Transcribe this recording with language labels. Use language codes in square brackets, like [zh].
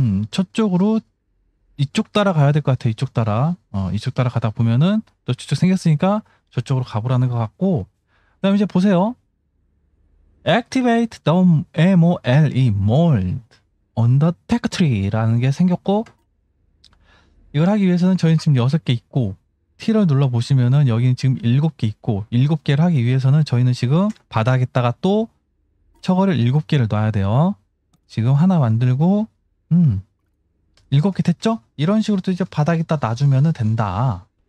[ko] 첫쪽으로 이쪽 따라가야 될것 같아. 이쪽 따라. 이쪽 따라가다 보면은 또 저쪽 생겼으니까 저쪽으로 가보라는 것 같고. 그다음 이제 보세요. [en] Activate the MOLE mold on the tech tree 라는 게 생겼고. [ko] 이걸 하기 위해서는 저희는 지금 6개 있고, T를 눌러 보시면은 여기는 지금 7개 있고, 7개를 하기 위해서는 저희는 지금 바닥에다가 또 처거를 7개를 놔야 돼요. 지금 하나 만들고, 7개 됐죠? 이런 식으로 또 이제 바닥에다 놔주면 된다.